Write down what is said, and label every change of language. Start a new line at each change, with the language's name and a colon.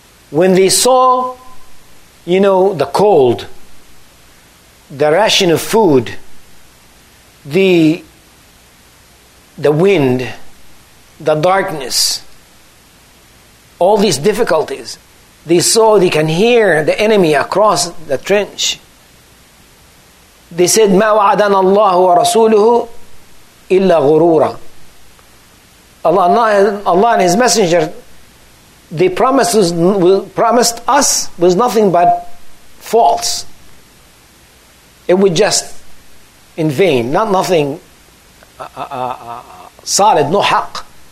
English: When they saw, you know, the cold, the ration of food, the wind, the darkness, all these difficulties, they saw, they can hear the enemy across the trench. They said,
Arabic: مَا وَعَدَنَا اللَّهُ وَرَسُولُهُ إِلَّا غُرُورًا.
English: Allah and His Messenger, they promised us was nothing but false. It was just in vain, not nothing solid, no haqq.